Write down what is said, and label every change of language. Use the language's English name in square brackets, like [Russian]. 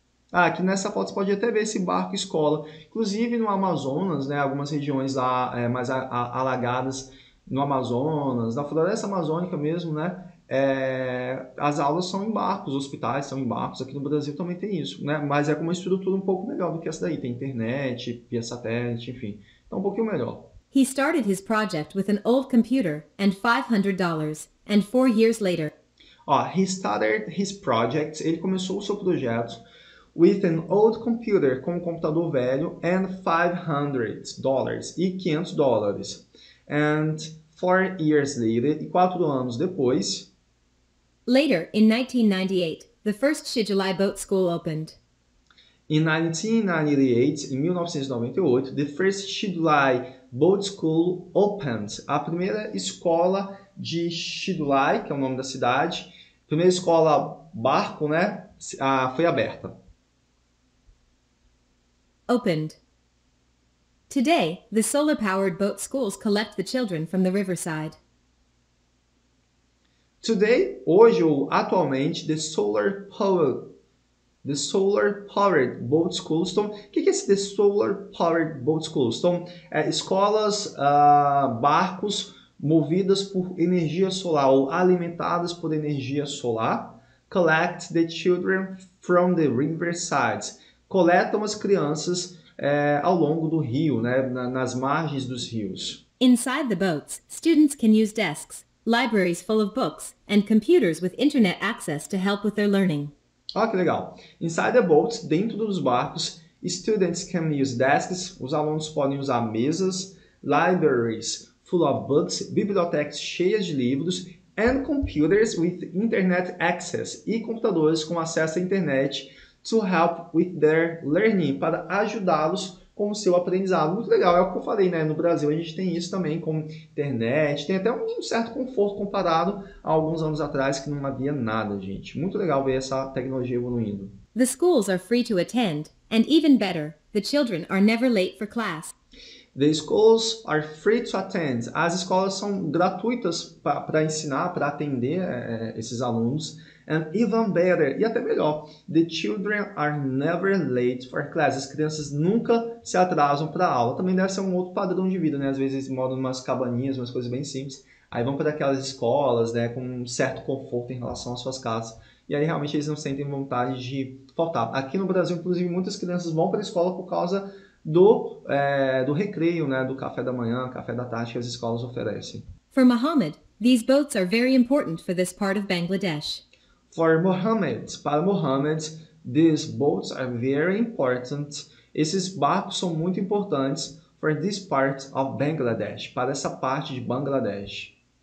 [Portuguese] Ah, aqui nessa foto você pode até ver esse barco escola. Inclusive no Amazonas, né, algumas regiões lá mais alagadas no Amazonas, na floresta amazônica mesmo, né? As aulas são em barcos, os hospitais são em barcos. Aqui no Brasil também tem isso, né? Mas é com uma estrutura um pouco melhor do que essa daí. Tem internet, via satélite, enfim. Então, um pouquinho melhor. [English] He started his project with an old computer and $500, and 4 years later. [Portuguese] Ó, [English] he started his project. [Portuguese] Ele começou o seu projeto [English] with an old computer, [Portuguese] com um computador velho, [English] and $500 [Portuguese] e $500. [English] And 4 years later, [Portuguese] e 4 anos depois. [English] Later, in 1998, the first Shijilai boat school opened. In 1998, [Portuguese] em 1998, [English] the first Shidulai Boat School opened. [Portuguese] A primeira escola de Shidulai, que é o nome da cidade, primeira escola barco, né? Foi aberta. [English] Opened. Today, the solar-powered boat schools collect the children from the riverside. Today, [Portuguese] hoje ou atualmente, [English] the solar powered boat schools. [Portuguese] Então, o que é esse [English] the solar powered boat schools? [Portuguese] Então, escolas, barcos movidas por energia solar ou alimentadas por energia solar, [English] collect the children from the riverside. [Portuguese] Coletam as crianças ao longo do rio, né? Nas margens dos rios. [English] Inside the boats, students can use desks, libraries full of books, and computers with internet access to help with their learning. [Portuguese] Olha que legal. [English] Inside the boats, [Portuguese] dentro dos barcos, [English] students can use desks, [Portuguese] os alunos podem usar mesas, [English] libraries full of books, [Portuguese] bibliotecas cheias de livros, [English] and computers with internet access, [Portuguese] e computadores com acesso à internet [English] to help with their learning, [Portuguese] para ajudá-los com o seu aprendizado. Muito legal, é o que eu falei, né? No Brasil a gente tem isso também com internet, tem até um certo conforto comparado a alguns anos atrás que não havia nada, gente. Muito legal ver essa tecnologia evoluindo. [English] The schools are free to attend, and even better, the children are never late for class. The schools are free to attend. [Portuguese] As escolas são gratuitas para ensinar, para atender esses alunos. [English] And even better, [Portuguese] e até melhor, [English] the children are never late for class. [Portuguese] As crianças nunca se atrasam para aula. Também deve ser um outro padrão de vida, né? Às vezes moram em umas cabaninhas, umas coisas bem simples. Aí vão para aquelas escolas, né, com um certo conforto em relação às suas casas. E aí realmente eles não sentem vontade de faltar. Aqui no Brasil, inclusive, muitas crianças vão para a escola por causa do recreio, né, do café da manhã, café da tarde que as escolas oferecem. [English] For Muhammad, these boats are very important for this part of Bangladesh. Para Muhammad, these boats are very important. [Portuguese] Esses barcos são muito importantes [English] for this part of Bangladesh, [Portuguese] para essa parte de Bangladesh.